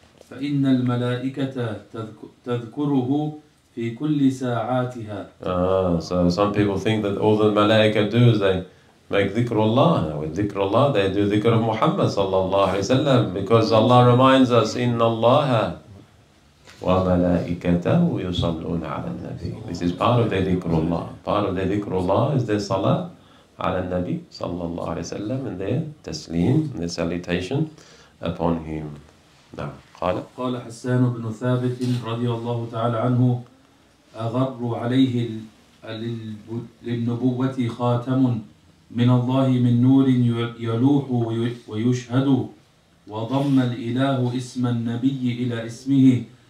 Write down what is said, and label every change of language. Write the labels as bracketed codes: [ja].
[ar] فَإِنَّ الْمَلَائِكَةَ تَذْكُرُهُ في كل ساعاتها. [en] So some people think that all the malaika do is they make dhikr Allah. With dhikr Allah, they do dhikr of Muhammad sallallahu alayhi wa sallam, because Allah reminds us, [ar] إِنَّ اللَّهَ وَمَلَائِكَتَهُ يُصَلُّونَ عَلَى النَّبِيِّ. [en] This is part of their dhikr Allah. Part of their dhikr Allah is their salah ala nabi sallallahu alayhi wa sallam, and their taslim, and their salutation upon him. Now, [ar] قال حسان بن ثابت رضي الله تعالى عنه أغر عليه للنبوة خاتم من الله من نور يلوح ويشهد وضم الإله اسم النبي إلى اسمه